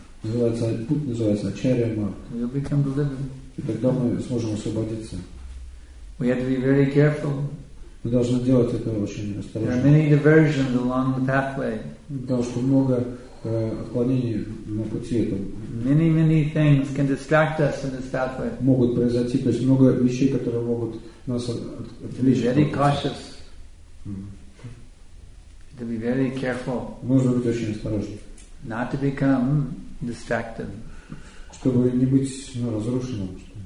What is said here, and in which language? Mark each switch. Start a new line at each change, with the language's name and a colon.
Russian: Путь называется Acharya Marg.
English: We'll become deliberate.
Russian: И тогда мы сможем освободиться.
English: We have to be very careful.
Russian: Мы должны делать это очень осторожно.
English: There are many diversions along the pathway.
Russian: Потому что много отклонений на пути этом.
English: Many, many things can distract us in this pathway.
Russian: Могут произойти, то есть много вещей, которые могут нас отвлечь.
English: Very cautious. To be very careful.
Russian: Нужно быть очень осторожным.
English: Not to become distracted.
Russian: Чтобы не быть, ну, разрушенным.